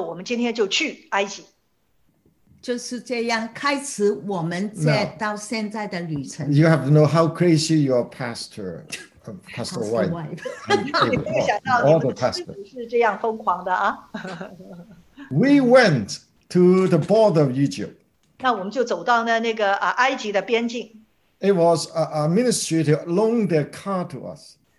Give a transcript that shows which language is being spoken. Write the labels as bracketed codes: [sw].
[zh] 我们今天就去埃及。就是这样开始我们在到现在的旅程。 [en] You have to know how crazy your pastor, Pastor White. [zh] 没想到你们是这样疯狂的啊！We [en] went to the border of Egypt. [zh] 那我们就走到那个埃及的边境。 [en] It was a ministry to loan their car to us.